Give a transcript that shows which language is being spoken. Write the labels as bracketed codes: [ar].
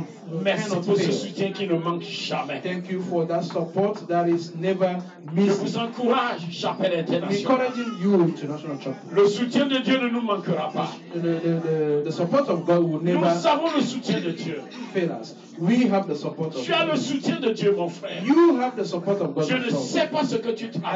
[fr] merci pour ce soutien qui ne manque jamais. [en] Thank you for that support that is never missed. [fr] Je vous encourage, chapelle internationale. [en] Encouraging you, international chapel. [fr] Le soutien de Dieu ne nous manquera pas. [en] The support of God will never fail us. [fr] Nous avons le soutien de Dieu. [en] Fail us. We have the support of [fr] tu as [en] God. [fr] Le soutien de Dieu, mon frère. [en] You have the support of God. [fr] Je ne sais pas ce que tu traverses.